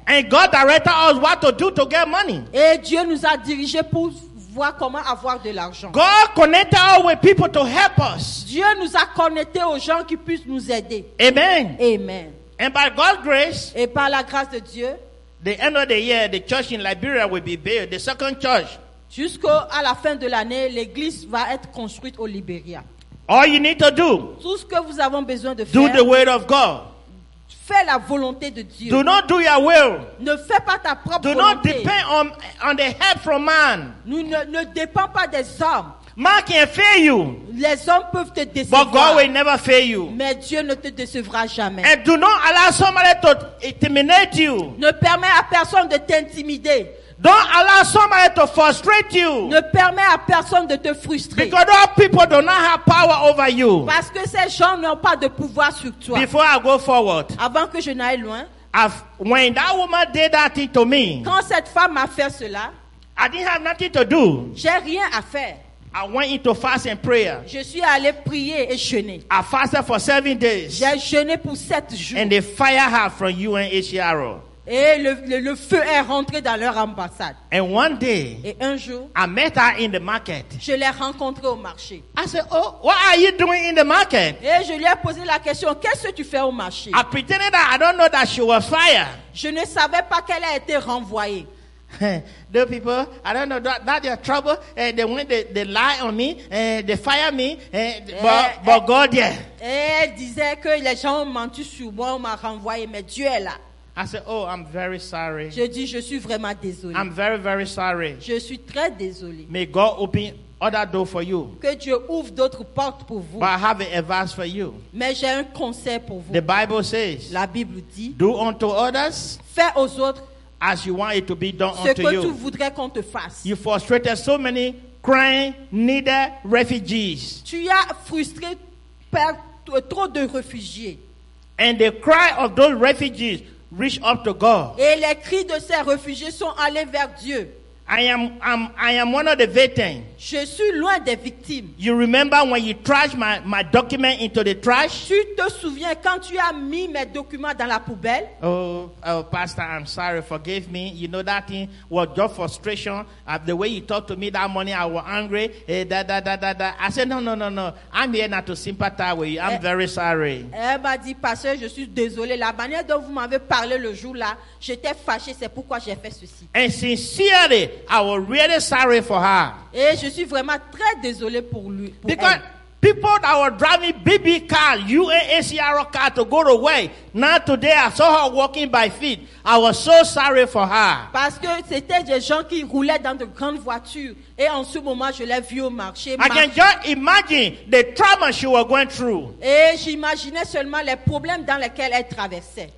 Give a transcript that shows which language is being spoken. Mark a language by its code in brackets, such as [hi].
[en] And God directed us what to do to get money. [fr] Et Dieu nous a dirigé pour voir comment avoir de l'argent. [en] God connected us with people to help us. [fr] Dieu nous a connecté aux gens qui puissent nous aider. [en] Amen. [fr] Amen. [en] And by God's grace. [fr] Et par la grâce de Dieu. [en] The end of the year, the church in Liberia will be built, the second church. [fr] Jusqu'à la fin de l'année, l'église va être construite au Liberia. [en] All you need to do. [fr] Tout ce que vous avons besoin de faire. [en] Do the will of God. [fr] Fais la volonté de Dieu. [en] Do not do your will. [fr] Ne fais pas ta propre [en] do [fr] volonté. [en] Do not depend on the help from man. [fr] Nous ne dépend pas des hommes. [en] Man can fail you. [fr] Les hommes peuvent te décevoir. [en] But God will never fail you. [fr] Mais Dieu ne te décevra jamais. [en] And do not allow somebody to intimidate you. [fr] Ne permets à personne de t'intimider. [en] Don't allow somebody to frustrate you. [fr] Ne permets à personne de te frustrer. [en] Because all people do not have power over you. [fr] Parce que ces gens n'ont pas de pouvoir sur toi. [en] Before I go forward. [fr] Avant que je n'aille loin. [en] When that woman did that thing to me. [fr] Quand cette femme m'a fait cela. [en] I didn't have nothing to do. [fr] J'ai rien à faire. [en] I went into fast and prayer. [fr] Je suis allé prier et jeûner. [en] I fasted for 7 days. [fr] J'ai jeûné pour 7 jours. [en] And the fire had from UNHCR. [fr] Et le feu est rentré dans leur ambassade. [en] And one day, [fr] et un jour, [en] I met her in the market. [fr] Je l'ai rencontrée au marché. [en] I said, oh, what are you doing in the market? [fr] Et je lui ai posé la question, qu'est-ce que tu fais au marché? [en] I pretended that I don't know that she was fired. [fr] Je ne savais pas qu'elle a été renvoyée. [en] The people, I don't know, that they are trouble. And they went, they lie on me, they fire me, but God, yeah. [fr] Elle disait que les gens ont menti sur moi, on m'a renvoyé, mais Dieu est là. [en] I said, oh, I'm very sorry. [fr] Je dis, je suis vraiment désolé. [en] I'm very, very sorry. [fr] Je suis très désolé. [en] May God open other door for you. [fr] Que Dieu ouvre d'autres portes pour vous. [en] But I have an advice for you. [fr] Mais j'ai un conseil pour vous. [en] The Bible says, [fr] la Bible dit, [en] do unto others, [fr] fais aux autres, [en] as you want it to be done [fr] ce [en] unto you. [fr] Ce que tu voudrais qu'on te fasse. [en] You frustrated so many crying, needy refugees. [fr] Tu as frustré par trop de réfugiés. [en] And the cry of those refugees reach up to God. [fr] Et les cris de ces réfugiés sont allés vers Dieu. [en] I am one of the victims. [fr] Je suis loin des victimes. [en] You remember when you trashed my document into the trash? [fr] Tu te souviens quand tu as mis mes documents dans la poubelle? [en] Oh, Pastor, I'm sorry. Forgive me. You know that thing was just frustration. The way you talked to me that morning, I was angry. Hey, da, da, da, da, da. I said, no. I'm here not to sympathize with you. I'm very sorry. [fr] Elle m'a dit, Pasteur, je suis désolé. La manière dont vous m'avez parlé le jour-là, j'étais fâché. C'est pourquoi j'ai fait ceci. [en] And sincerely, I was really sorry for her. [fr] Et je suis vraiment très désolé pour lui. Pour [en] Because [fr] elle. [en] People that were driving BB car, UAACR car to go to work, now today I saw her walking by feet. I was so sorry for her. [fr] Parce que c'était des gens qui roulaient dans de grandes voitures. Et en ce moment, je l'ai vue au marché. [en] I can just imagine the trauma she was going through. [fr] Et j'imaginais seulement les problèmes dans lesquels elle traversait.